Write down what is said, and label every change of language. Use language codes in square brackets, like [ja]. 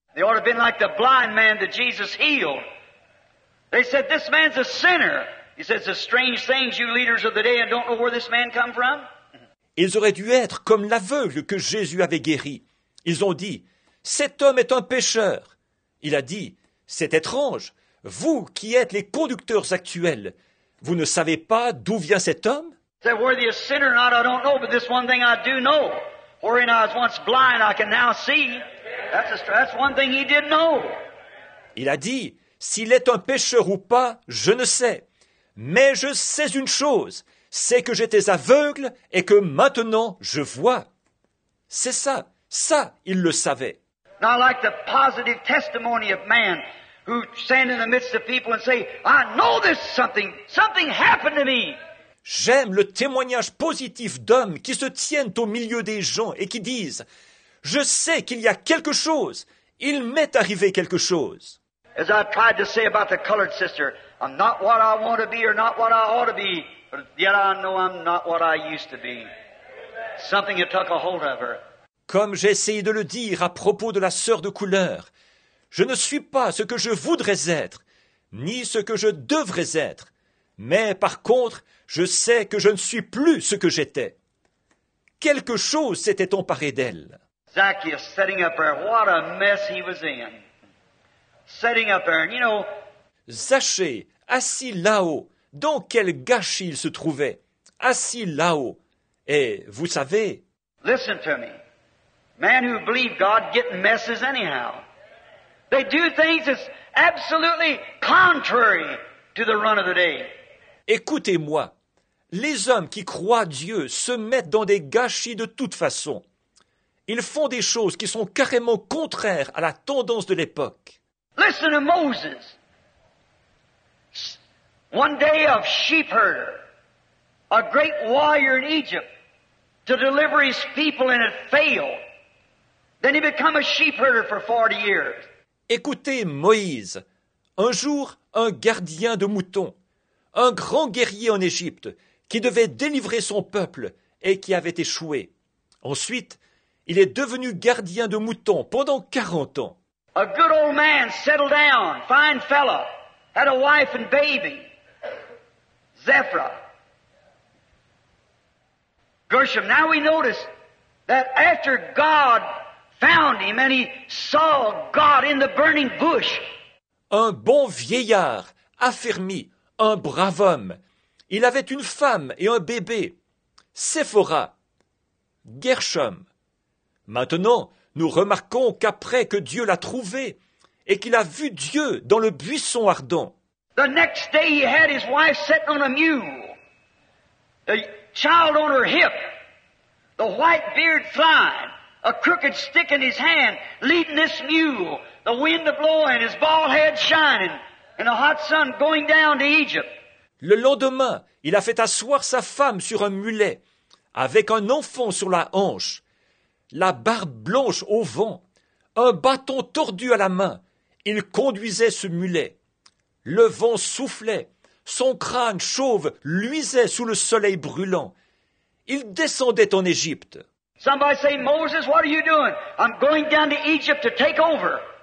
[en] They ought to have been like the blind man that Jesus healed. They said, this man's a sinner. He says, it's a strange thing, you leaders of the day, and don't know where this man come from. [fr] Ils auraient dû être comme l'aveugle que Jésus avait guéri. Ils ont dit, cet homme est un pécheur. Il a dit, c'est étrange. Vous qui êtes les conducteurs actuels, vous ne savez pas d'où vient cet homme? [en] He said, worthy a sinner or not, I don't know, but this one thing I do know. Wherein I was once blind, I can now see. That's one thing he didn't know. [fr] Il a dit, s'il est un pécheur ou pas, je ne sais. Mais je sais une chose, c'est que j'étais aveugle et que maintenant je vois. C'est ça, ça, il le savait. [en] Now I like the positive testimony of man who stand in the midst of people and say, I know this something, something happened to me. [fr] J'aime le témoignage positif d'hommes qui se tiennent au milieu des gens et qui disent « Je sais qu'il y a quelque chose, il m'est arrivé quelque chose. » [en] As I tried to say about the colored sister, I'm not what I want to be or not what I ought to be, but yet I know I'm not what I used to be. Something that took a hold of her. [fr] Comme j'ai essayé de le dire à propos de la sœur de couleur, je ne suis pas ce que je voudrais être, ni ce que je devrais être, mais par contre, je sais que je ne suis plus ce que j'étais. Quelque chose s'était emparé d'elle. [en] Zacchaeus setting up there. What a mess he was in. Setting up there. You know. [fr] Zachée, assis là-haut. Dans quel gâchis il se trouvait. Assis là-haut. Et vous savez. [en] Listen to me. Men who believe God get messes anyhow. They do things that's absolutely contrary to the run of the day. [fr] Écoutez-moi. Les hommes qui croient Dieu se mettent dans des gâchis de toute façon. Ils font des choses qui sont carrément contraires à la tendance de l'époque. [en] Listen to Moses. One day of sheep herder, a great warrior in Egypt, to deliver his people and it failed. Then he became a sheep herder for 40 years. [fr] Écoutez Moïse. Un jour, un gardien de moutons, un grand guerrier en Égypte, qui devait délivrer son peuple et qui avait échoué. Ensuite, il est devenu gardien de moutons pendant 40 ans. [en] A good old man settled down, fine fellow, had a wife and baby, Zephra, Gershom. Now we notice that after God found him and he saw God in the burning bush. [fr] Un bon vieillard, affermi, un brave homme. Il avait une femme et un bébé, Séphora, Gershom. Maintenant, nous remarquons qu'après que Dieu l'a trouvé et qu'il a vu Dieu dans le buisson ardent, [en] the next day he had his wife sitting on a mule, a child on her hip, the white beard flying, a crooked stick in his hand, leading this mule, the wind blowing, his bald head shining, and the hot sun going down to Egypt. [fr] Le lendemain, il a fait asseoir sa femme sur un mulet, avec un enfant sur la hanche, la barbe blanche au vent, un bâton tordu à la main. Il conduisait ce mulet. Le vent soufflait. Son crâne chauve luisait sous le soleil brûlant. Il descendait en Égypte. [en] Somebody say, Moses, what are you doing? I'm going down to Egypt to take over.